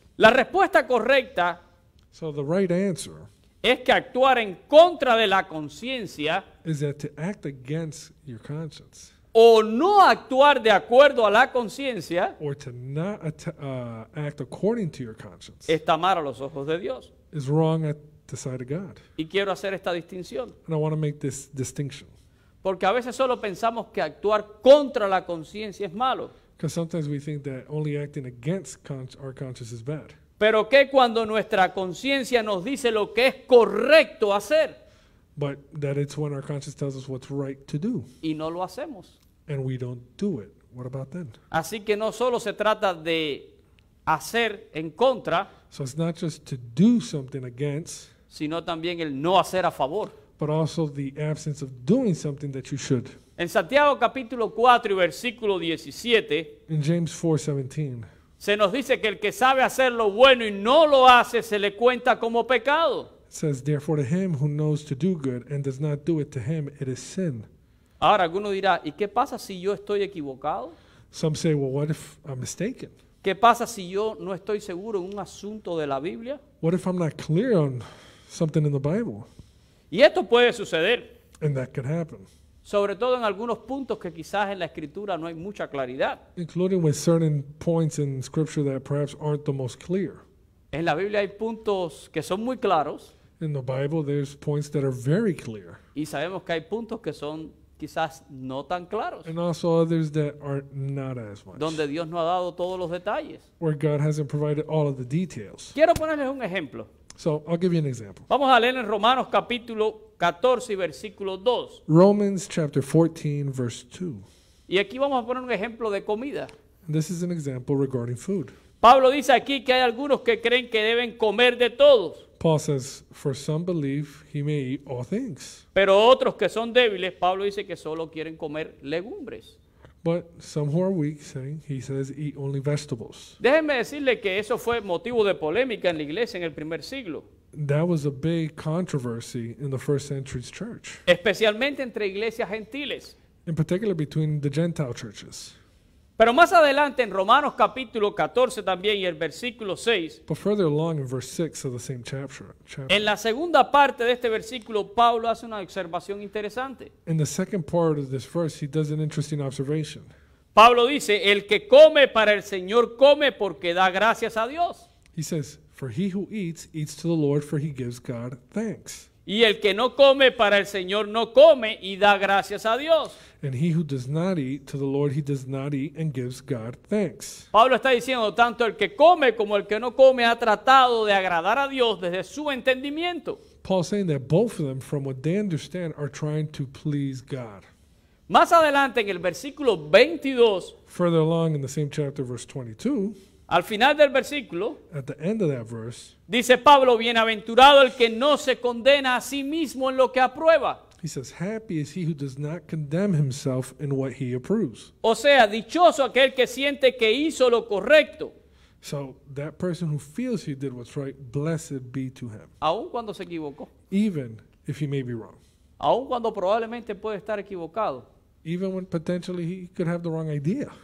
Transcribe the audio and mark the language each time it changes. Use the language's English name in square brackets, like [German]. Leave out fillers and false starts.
[Spanish] La respuesta correcta, [English] so the right answer, [Spanish] es que actuar en contra de la conciencia, [English] is that to act against your conscience. [Spanish] O no actuar de acuerdo a la conciencia, [English] or to not act according to your conscience, [Spanish] está mal a los ojos de Dios, [English] is wrong at the sight of God. [Spanish] Y quiero hacer esta distinción. [English] And I want to make this distinction. [Spanish] Porque a veces solo pensamos que actuar contra la conciencia es malo. [English] Because sometimes we think that only acting against our conscience is bad. [Spanish] Pero qué cuando nuestra conciencia nos dice lo que es correcto hacer. [English] But that it's when our conscience tells us what's right to do. [Spanish] Y no lo hacemos. [English] And we don't do it. What about then? [Spanish] Así que no solo se trata de hacer en contra. [English] So it's not just to do something against. [Spanish] Sino también el no hacer a favor. [English] But also the absence of doing something that you should. [Spanish] En Santiago capítulo 4 y versículo 17, [English] in James 4:17, [Spanish] se nos dice que el que sabe hacer lo bueno y no lo hace se le cuenta como pecado. [English] It says, therefore, to him who knows to do good and does not do it, to him it is sin. [Spanish] Ahora alguno dirá, ¿y qué pasa si yo estoy equivocado? [English] Some say, well, what if I'm mistaken? [Spanish] ¿Qué pasa si yo no estoy seguro en un asunto de la Biblia? [English] What if I'm not clear on something in the Bible? [Spanish] Y esto puede suceder. [English] And that could happen. [Spanish] Sobre todo en algunos puntos que quizás en la Escritura no hay mucha claridad. [English] Including with certain points in Scripture that perhaps aren't the most clear. [Spanish] En la Biblia hay puntos que son muy claros. [English] In the Bible there's points that are very clear. [Spanish] Y sabemos que hay puntos que son quizás no tan claros. [English] And also others that are not as much. [Spanish] Donde Dios no ha dado todos los detalles. [English] Where God hasn't provided all of the details. [Spanish] Quiero ponerles un ejemplo. [English] So I'll give you an example. [Spanish] Vamos a leer en Romanos capítulo 14 versículo 2. [English] Romans chapter 14 verse 2. [Spanish] Y aquí vamos a poner un ejemplo de comida. [English] And this is an example regarding food. [Spanish] Pablo dice aquí que hay algunos que creen que deben comer de todos. [English] Paul says, for some believe he may eat all things. [Spanish] Pero otros que son débiles, Pablo dice que solo quieren comer legumbres. [English] But some who are weak, saying, he says, eat only vegetables. [Spanish] Déjenme decirle que eso fue motivo de polémica en la iglesia en el primer siglo. [English] That was a big controversy in the first century's church. [Spanish] Especialmente entre iglesias gentiles. [English] In particular between the Gentile churches. [Spanish] Pero más adelante en Romanos capítulo 14 también y el versículo 6. [English] But further along in verse 6 of the same chapter. [Spanish] En la segunda parte de este versículo Pablo hace una observación interesante. [English] In the second part of this verse he does an interesting observation. [Spanish] Pablo dice, el que come para el Señor come porque da gracias a Dios. [English] He says, for he who eats, eats to the Lord for he gives God thanks. [Spanish] Y el que no come para el Señor no come y da gracias a Dios. [English] And he who does not eat, to the Lord he does not eat and gives God thanks. [Spanish] Pablo está diciendo, tanto el que come como el que no come ha tratado de agradar a Dios desde su entendimiento. [English] Paul's saying that both of them, from what they understand, are trying to please God. [Spanish] Más adelante en el versículo 22. [English] Further along in the same chapter, verse 22. [Spanish] Al final del versículo, [English] at the end of that verse, [Spanish] dice Pablo, bienaventurado el que no se condena a sí mismo en lo que aprueba. [English] He says, happy is he who does not condemn himself in what he approves. [Spanish] O sea, dichoso aquel que siente que hizo lo correcto. [English] So that person who feels he did what's right, blessed be to him. [Spanish] Aun cuando se equivocó. [English] Even if he may be wrong. [Spanish] Aun cuando probablemente puede estar equivocado. [English] Even when potentially he could have the wrong idea.